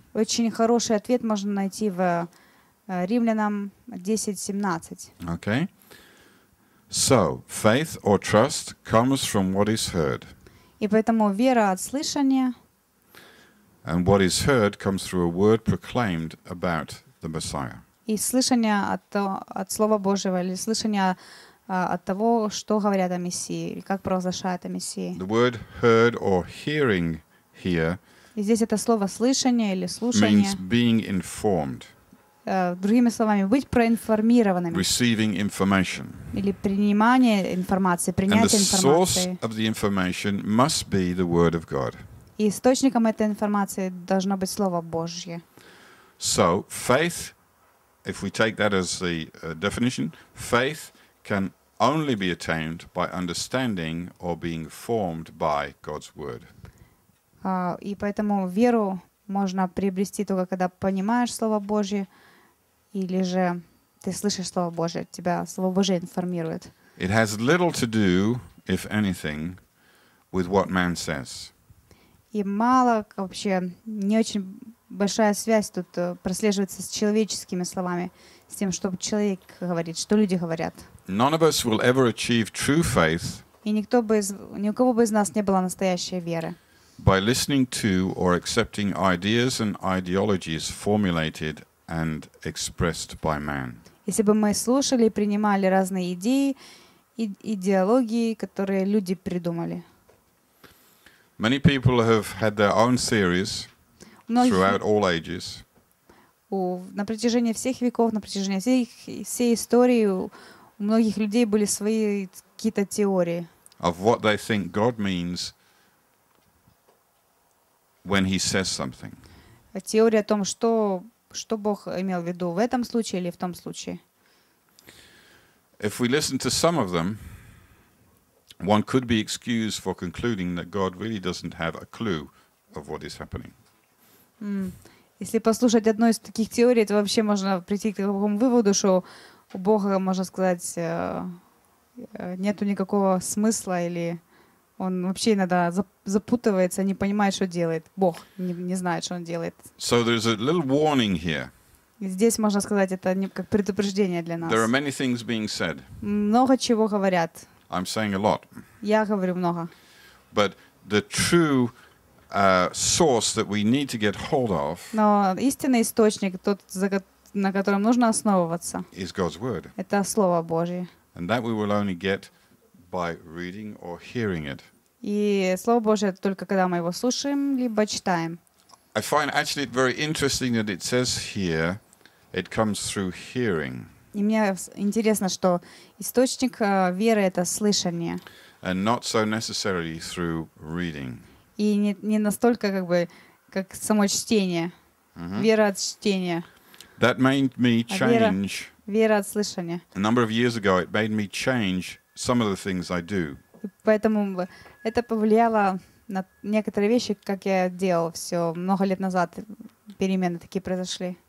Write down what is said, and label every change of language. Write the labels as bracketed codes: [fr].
[ru] Очень хороший ответ можно найти в Римлянам 10:17. [en] Okay. So, faith or trust comes from what is heard. [ru] И поэтому вера от слышания. [en] And what is heard comes through a word proclaimed about the Messiah. [ru] И слышание от Слова Божьего, или слышание от того, что говорят о Мессии, или как провозглашают о Мессии. [en] The word heard or hearing here. [ru] И здесь это слово слышание или слушание. [en] Means being informed. [ru] Другими словами, быть проинформированными. [en] Receiving information. [ru] Или принимание информации, принятие информации. [en] And the source of the information must be the Word of God. [ru] И источником этой информации должно быть Слово Божье. [en] So, faith, if we take that as the definition, faith can only be attained by understanding or being formed by God's Word. [ru] И поэтому веру можно приобрести только когда понимаешь Слово Божье, или же ты слышишь Слово Божье, тебя Слово Божье информирует. [en] It has little to do, if anything, with what man says. [ru] И мало вообще, не очень большая связь тут прослеживается с человеческими словами, с тем, что человек говорит, что люди говорят. [en] None of us will ever achieve true faith. [ru] И никто бы из, ни у кого бы из нас не было настоящей веры. [en] By listening to or accepting ideas and ideologies formulated and expressed by man. [ru] Если бы мы слушали и принимали разные идеи и идеологии, которые люди придумали. [en] Many people have had their own theories throughout all ages. [ru] На протяжении всех веков, на протяжении всей истории у многих людей были свои какие-то теории. [en] Of what they think God means when he says something. [ru] Теория о том, что Бог имел в виду в этом случае или в том случае. [en] If we listen to some of them, one could be excused for concluding that God really doesn't have a clue of what is happening. [ru] Если послушать одну из таких теорий, то вообще можно прийти к такому выводу, что у Бога, можно сказать, нету никакого смысла, или он вообще иногда запутывается, не понимает, что делает. Бог не знает, что он делает. [en] So there's a little warning here. [ru] Здесь, можно сказать, это как предупреждение для нас. [en] There are many things being said. [ru] Много чего говорят. [en] I'm saying a lot. [ru] Я говорю много. [en] But the true source that we need to get hold of. [ru] Но истинный источник, тот, на котором нужно основываться. [en] Is God's word. [ru] Это Слово Божье. [en] And that we will only get by reading or hearing it. [ru] И Слово Божье это только когда мы его слушаем либо читаем. [en] I find actually it very interesting that it says here it comes through hearing. [ru] И мне интересно, что источник веры это слышание. [en] And not so necessarily through reading. [ru] И не настолько как бы как само чтение. [en] Uh-huh. [ru] Вера от чтения. [en] That made me change. [ru] Вера от слышания. [en] A number of years ago it made me change some of the things I do. [ru] Поэтому это повлияло на некоторые вещи, как я делал все много лет назад. Перемены такие произошли.